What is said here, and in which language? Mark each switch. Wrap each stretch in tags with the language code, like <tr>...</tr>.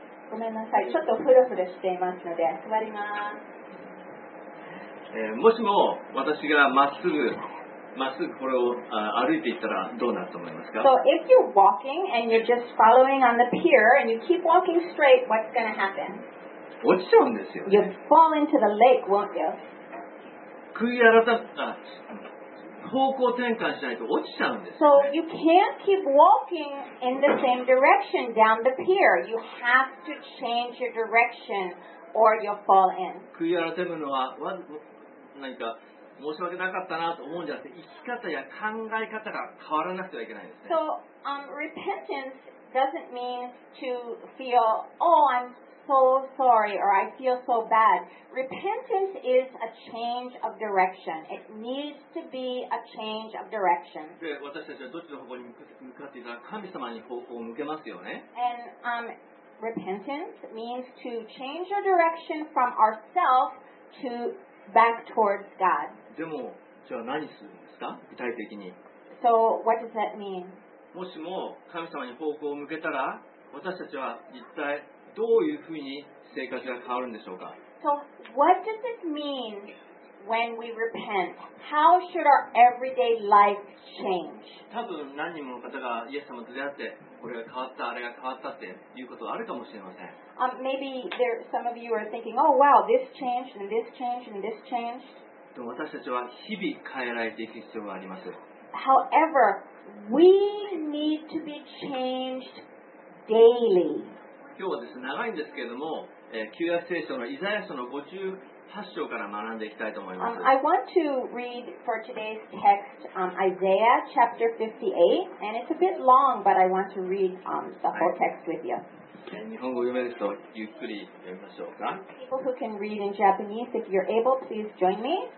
<ja>ごめんなさい、ちょっとフルフルしていますので座ります。もしも私がまっすぐまっすぐこれを歩いていったらどうなると思いますか?</ja> <en>So if you're walking and you're just following on the pier and you keep walking straight, what's going to happen?</en> <ja>落ちちゃうんですよ、ね。</ja> <en>You'll fall into the lake, won't you?</en> <ja>悔い改めた方向転換しないと落ちちゃうんです、ね。</ja> <en>So you can't keep walking in the same direction down the pier. You have to change your direction or you'll fall in.</en> <ja>悔い改めるのは何か申し訳なかったなと思うんじゃなくて、生き方や考え方が変わらなくてはいけないんですね。</ja> <en>So, repentance doesn't mean to feel, oh, I'm so sorry or I feel so bad. Repentance is a change of direction. It needs to be a change of direction.</en> <ja>で、私たちはどっちの方向に向かっていたら神様に方向を向けますよね。</ja> <en>And, repentance means to change your direction from ourselves to back towards God.</en> <ja>でも、じゃあ何するんですか? 具体的に。</ja> <en>So, what does that mean?</en> <ja>もしも神様に方向を向けたら、私たちは一体どういうふうに生活が変わるんでしょうか?</ja> <en>So, what does it mean when we repent? How should our everyday life change?</en> <ja>多分何人もの方がイエス様と出会って、これが変わった、あれが変わったっていうことはあるかもしれません。</ja> <en>Maybe there, some of you are thinking, oh wow, this changed and this changed and this changed.</en> <ja>私たちは日々変えられていく必要があります。</ja> <en>However, we need to be changed daily.</en> <ja>今日はですね、長いんですけれども、旧約聖書のイザヤ書の58章から学んでいきたいと思います。</ja> <en>I want to read for today's text, Isaiah chapter 58, and it's a bit long, but I want to read, the whole text with you.</en> <ja>日本語読めるとゆっくり読みましょうか。</ja> <en>People who can read in Japanese, if you're able, please join me.</en>